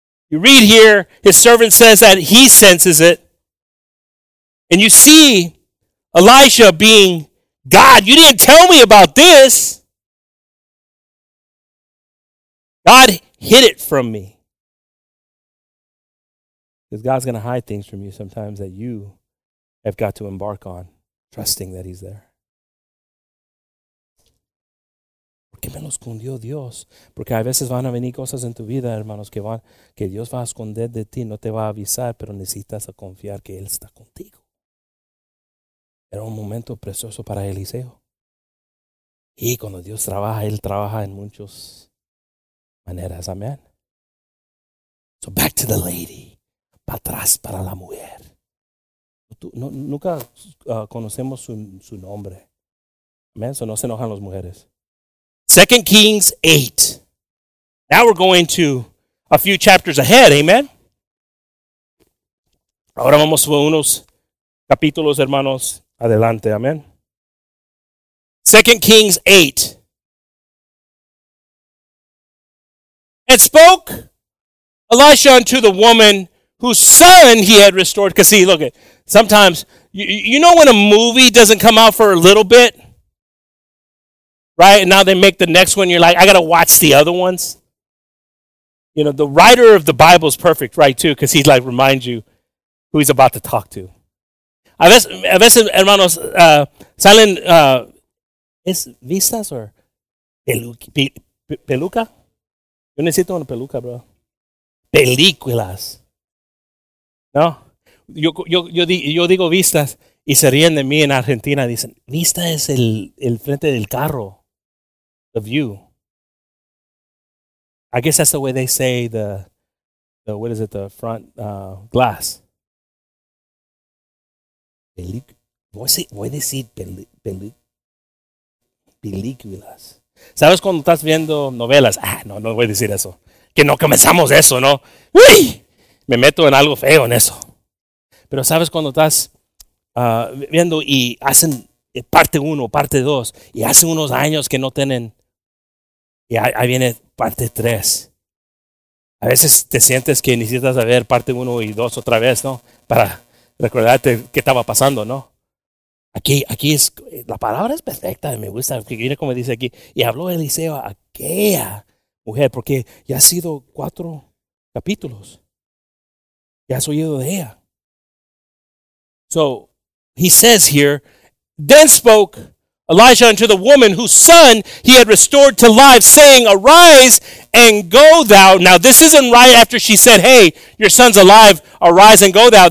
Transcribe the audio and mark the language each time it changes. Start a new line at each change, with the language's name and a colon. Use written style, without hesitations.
English: You read here, his servant says that he senses it. And you see Elijah being, God, you didn't tell me about this. God hid it from me. Because God's going to hide things from you sometimes that you have got to embark on, trusting that he's there.
Spanish: ¿Qué me lo escondió Dios? Porque a veces van a venir cosas en tu vida, hermanos, que Dios va a esconder de ti, no te va a avisar, pero necesitas a confiar que Él está contigo. Era un momento precioso para Eliseo. Y cuando Dios trabaja, Él trabaja en muchas maneras.
English: Amén. So back to the lady.
Spanish: Para atrás, para la mujer. Nunca conocemos su nombre. Amén. So no se enojan las mujeres. 2 Kings 8.
English: Now we're going to a few chapters ahead, amen?
Spanish: Ahora vamos a unos capítulos, hermanos, adelante, amen?
English: 2 Kings 8. And spoke Elisha unto the woman whose son he had restored. Because see, look, sometimes, you know when a movie doesn't come out for a little bit? Right, and now they make the next one, you're like, I gotta watch the other ones. You know, the writer of the Bible is perfect, right, too, because he's like, reminds you who he's about to talk to.
Spanish: A veces, hermanos, salen, ¿es vistas o peluca? Yo necesito una peluca, bro. Películas. No? Yo digo vistas, y se ríen de mí en Argentina, dicen, vista es el frente del carro.
English: The view. I guess that's the way they say the the what is it, the front glass.
Spanish: Películas. ¿Sabes cuando estás viendo novelas? Ah, no, no voy a decir eso. Que no comenzamos eso, ¿no? ¡Uy! Me meto en algo feo en eso. Pero ¿sabes cuando estás viendo y hacen parte uno, parte dos, y hace unos años que no tienen, y ahí viene parte tres? A veces te sientes que necesitas ver parte uno y dos otra vez, ¿no? Para recordarte qué estaba pasando, ¿no? Aquí es, la palabra es perfecta, me gusta, mira cómo dice aquí. Y habló Eliseo a aquella mujer, porque ya ha sido cuatro capítulos. Ya has oído de ella.
English: So, he says here, then spoke Elijah unto the woman whose son he had restored to life, saying, arise and go thou. Now, this isn't right after she said, hey, your son's alive, arise and go thou.